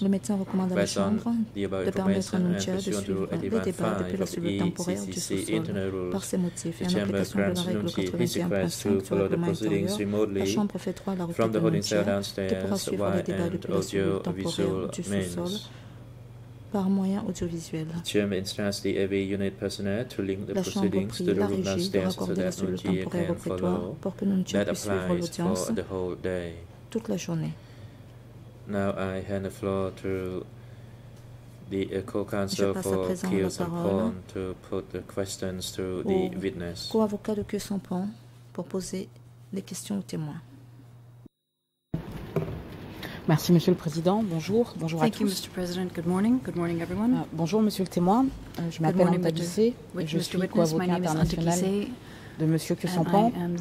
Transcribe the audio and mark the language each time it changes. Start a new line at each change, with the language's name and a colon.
French: Le médecin recommande à la chambre de permettre à Nunjia de suivre les départs depuis la cellule temporaire du sous-sol. Par ces motifs, et en application de la règle 81.5 du règlement intérieur, la chambre fait droit à la requête de Nunjia qui pourra suivre les départs depuis la cellule temporaire du sous-sol. Par moyen audiovisuel.
English: The chairman instructs the AV unit personnel to link the proceedings to the room downstairs so that Nunjia can follow.
French: Pour que Nunjia
English: that applies for the whole day.
French: Toute la journée.
English: Now I hand the floor to the co-counsel for Kyaw Samphong to put the questions to the witness.
French: Co-avocat de Kyaw Samphong pour poser les questions aux témoins. Merci, Monsieur le Président. Bonjour. Bonjour
English: Thank
French: à tous.
English: Thank you, Mr. President. Good morning. Good morning, everyone.
French: Bonjour, Monsieur le témoin. Je m'appelle Anta Kissé et je suis co-avocat international de Monsieur Kyaw Samphong.